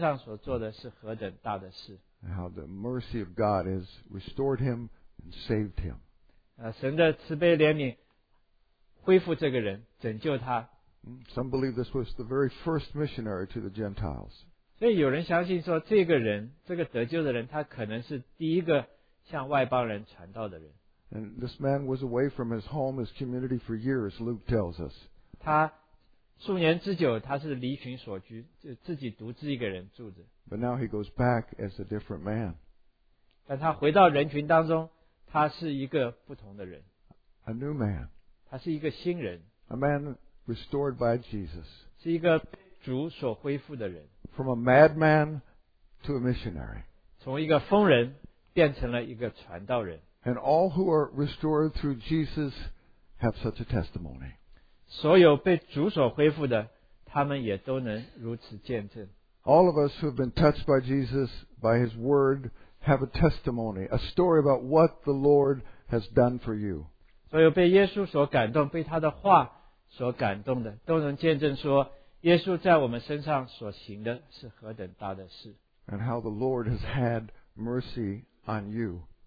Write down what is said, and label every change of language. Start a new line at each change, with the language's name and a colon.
Chinese: 他吩咐这个人去做一件事，就是到外邦人当中传扬说耶稣所做的，在他身上所做的是何等大的事。
English: How the mercy of God has restored him and saved him.
Chinese: 神的慈悲怜悯恢复这个人，拯救他。
English: Some believe this was the very first missionary to the Gentiles.
Chinese: 所以有人相信说，这个人，这个得救的人，他可能是第一个向外邦人传道的人。And
English: this man was away from his home, his community for years, Luke tells us.
Chinese: 他数年之久，他是离群所居，就自己独自一个人住着。But
English: now he goes back as a different man.
Chinese: 但他回到人群当中，他是一个不同的人。A
English: new man.
Chinese: 他是一个新人。A
English: man restored by Jesus.
Chinese: 是一个主所恢复的人。
English: From a madman to a missionary.
Chinese: 从一个疯人变成了一个传道人。
English: And all who are restored through Jesus have such a testimony.
Chinese: 所有被主所恢复的，他们也都能如此见证。
English: All of us who have been touched by Jesus, by His Word, have a testimony, a story about what the Lord has done for you.
Chinese: 所有被耶稣所感动，被他的话所感动的，都能见证说，耶稣在我们身上所行的是何等大的事。
English: And how the Lord has had mercy on you.